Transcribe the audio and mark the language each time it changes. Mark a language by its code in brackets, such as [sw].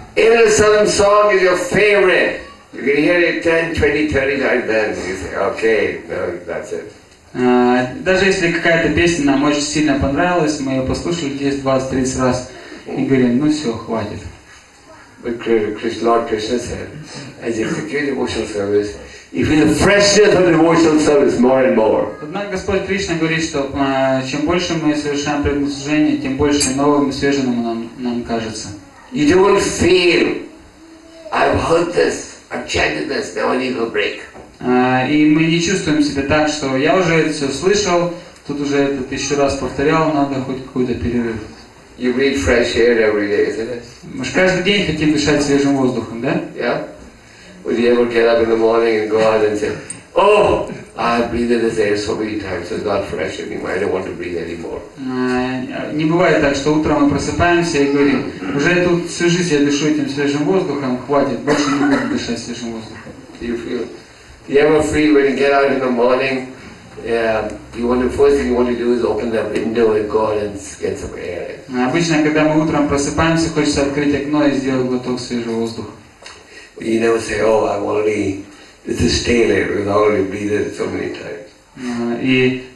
[en] If some song is your favorite, you can hear it 10, 20, 30 times, then you say, okay, that's it. [ru] Даже если какая-то песня нам очень сильно понравилась, мы ее послушали 10, 20, 30 раз и говорим, ну все, хватит. [en] Lord Krishna said, as you execute devotional service, you feel the freshness of devotional service more and more. [ru] Однако Господь Кришна говорит, что чем больше мы совершаем преданное служение, тем больше новым и свежим нам кажется. [en] You don't feel, I've heard this, I've chanted this, now I need a break. [ru] И мы не чувствуем себя так, что я уже это все слышал, тут уже это тысячу раз повторял, надо хоть какой-то перерыв. [en] You breathe fresh air every day, isn't it? [ru] Мы же каждый день хотим дышать свежим воздухом, да? [en] Yeah. Would you ever get up in the morning and go out and say, oh, I've breathed this air so many times, so it's not fresh anymore, I don't want to breathe anymore. [ru] Не бывает так, что утром мы просыпаемся и говорим, уже тут всю жизнь я дышу этим свежим воздухом, хватит, больше не буду дышать свежим воздухом. [en] You ever feel when you get out in the morning, you want the first thing you want to do is open that window and go out and get some air in. [ru] Обычно, когда мы утром просыпаемся, хочется открыть окно и сделать глоток свежего воздуха. [en] You never say, oh, I'm already, this is stale air, I've already breathed it so many times.